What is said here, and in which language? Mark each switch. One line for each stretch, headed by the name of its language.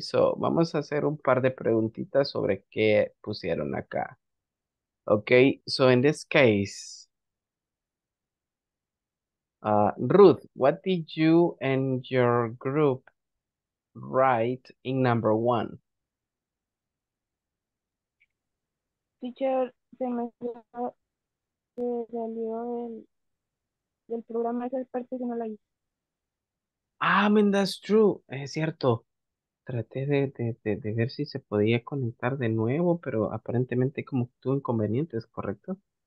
Spanish: So, vamos a hacer un par de preguntitas sobre qué pusieron acá.
English: Okay, so in this case, Ruth, what did you and your group write in number one?
Spanish: Teacher, se me salió del programa esa parte que no la hice.
English: Ah, man, that's true.
Spanish: Es cierto. Traté de ver si se podía conectar de nuevo, pero aparentemente como tuvo inconvenientes, ¿correcto?